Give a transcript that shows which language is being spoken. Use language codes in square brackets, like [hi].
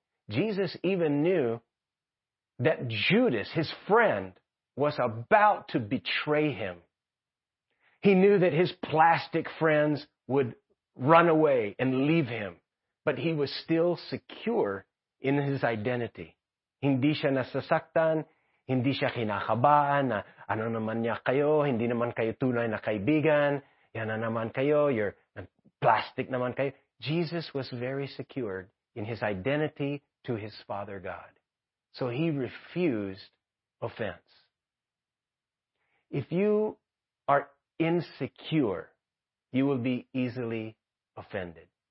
[en] Jesus even knew that Judas, his friend, was about to betray him. He knew that his plastic friends would run away and leave him, but he was still secure in his identity. [tl] hindi siya nasasaktan, hindi siya kinakabahan na ano naman niya kayo, hindi naman kayo tunay na kaibigan, yan na naman kayo, [en] you're plastic [tl] naman kayo. [en] Jesus was very secured in his identity to his Father God. So he refused offense. If you are insecure, you will be easily offended.